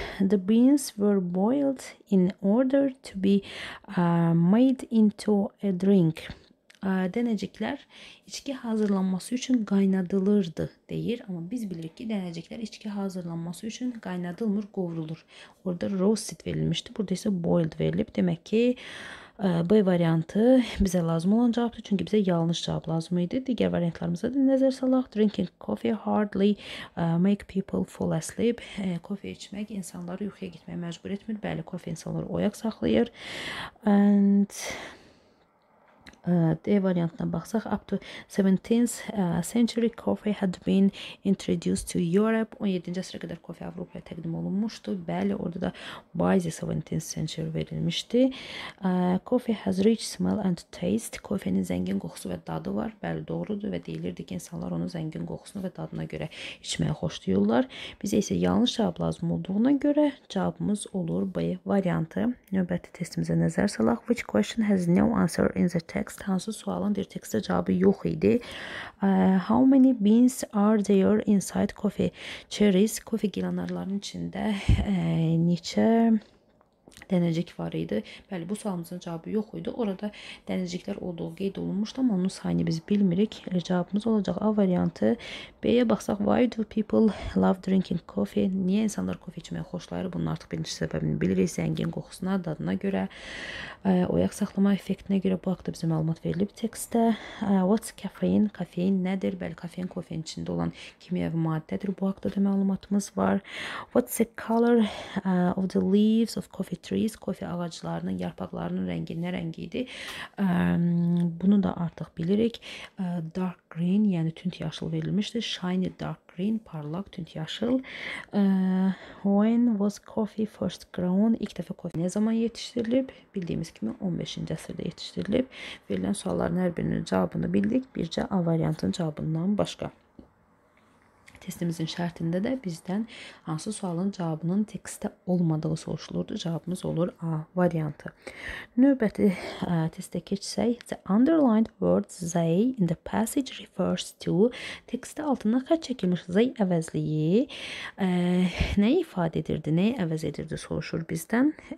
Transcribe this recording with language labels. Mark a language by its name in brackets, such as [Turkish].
[English] The beans were boiled in order to be made into a drink. [Azerbaijani] Dənəciklər içki hazırlanması üçün qaynadılırdı deyir. Amma biz bilirik ki, dənəciklər içki hazırlanması üçün qaynadılmır, qovrulur. Orada roasted verilmişdi, burada isə boiled verilib. Demək ki, B variantı bizə lazım olan cavabdır. Çünki bizə yanlış cavab lazım idi. Digər variantlarımıza da nəzər salaq. [English] Drinking coffee hardly make people fall asleep. [Azerbaijani] Kofe içmək insanları yuxuya gitməyə məcbur etmir. Bəli, kofe insanları oyaq saxlayır. [English] And [Azerbaijani] D variantına baxsaq, [English] up to 17th century coffee had been introduced to Europe. [Azerbaijani] 17-ci əsrə qədər kofe Avropaya təqdim olunmuşdu. Bəli, orada da [English] by the 17th century [Azerbaijani] verilmişdi. [English] Coffee has rich smell and taste. [Azerbaijani] Kofenin zəngin qoxusu və dadı var. Bəli, doğrudur və deyilirdi ki, insanlar onun zəngin qoxusunu və dadına görə içməyə xoşlayırlar. Bizə isə yanlış cavab lazım olduğuna görə cavabımız olur B variantı. Növbəti testimizə nəzər salaq. [English] Which question has no answer in the text? [Azerbaijani] Hansı sualın bir tekstdə cavabı yox idi. [English] How many beans are there inside coffee cherries? [Azerbaijani] Kofe gilanarlarının içində neçə dənəcik var idi? Bəli, bu sualımızın cavabı yox idi. Orada dənəciklər olduğu qeyd olunmuşdu, amma onun sayını biz bilmirik. Elə cavabımız olacaq A variantı. B-yə baxsaq, [English] why do people love drinking coffee? [Azerbaijani] Niyə insanlar kofe içməyə xoşlayır? Bunun artıq birinci səbəbini bilirik. Zəngin qoxusuna, dadına görə, oyaq saxlama effektinə görə bu haqda bizə məlumat verilib tekstdə. [English] What's caffeine? [Azerbaijani] Kafein nədir? Bəli, kafein kofein içində olan kimyəvi maddədir. Bu haqda da məlumatımız var. [English] What's the color of the leaves of coffee trees? [Azerbaijani] Kofe ağaclarının, yarpaqlarının rəngi nə rəngi idi? Bunu da artıq bilirik. [English] Dark green, [Azerbaijani] yəni tünd yaşıl verilmişdir. [English] Shiny dark green, [Azerbaijani] parlaq tünd yaşıl. [English] When was coffee first grown? [Azerbaijani] İlk dəfə kofe nə zaman yetişdirilib? Bildiyimiz kimi 15-ci əsrdə yetişdirilib. Verilən sualların hər birinin cavabını bildik. Bircə A variantının cavabından başqa. testimizin şərtində də bizdən hansı sualın cavabının tekstdə olmadığı soruşulurdu. Cavabımız olur A variantı. Növbəti testə keçsək, [English] the underlined word they in the passage refers to, [Azerbaijani] tekstdə altında xətt çəkilmiş they əvəzliyi nəyi ifadə edirdi, nəyi əvəz edirdi soruşur bizdən.